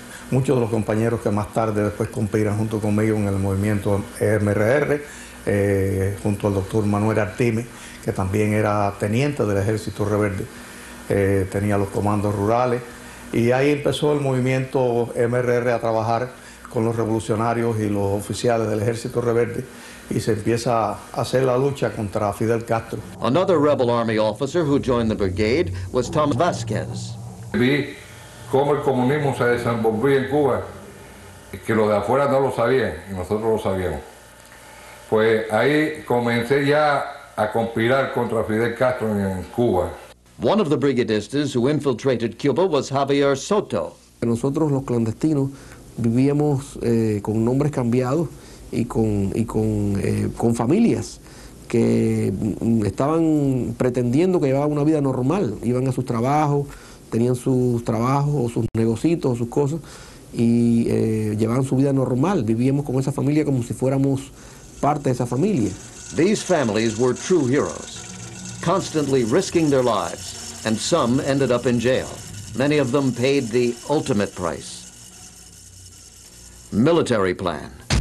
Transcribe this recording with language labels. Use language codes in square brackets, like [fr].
[es] Muchos de los compañeros que más tarde después cumplirán junto conmigo en el movimiento MRR, junto al doctor Manuel Artime, que también era teniente del ejército rebelde, tenía los comandos rurales, y ahí empezó el movimiento MRR a trabajar con los revolucionarios y los oficiales del ejército rebelde, y se empieza a hacer la lucha contra Fidel Castro. [en] Another rebel army officer who joined the brigade was Tom Vasquez. [es] Vi cómo el comunismo se desenvolvía en Cuba, que los de afuera no lo sabían, y nosotros lo sabíamos. Pues ahí comencé ya a conspirar contra Fidel Castro en Cuba. [en] One of the brigadistas who infiltrated Cuba was Javier Soto. [es] Nosotros los clandestinos vivíamos con nombres cambiados y con familias que estaban pretendiendo que llevaban una vida normal. Iban a sus trabajos, tenían sus trabajos o sus negocitos o sus cosas y llevaban su vida normal. Vivíamos con esa familia como si fuéramos parte de esa familia. [en] These families were true heroes, constantly risking their lives, and some ended up in jail. Many of them paid the ultimate price. Military Plan.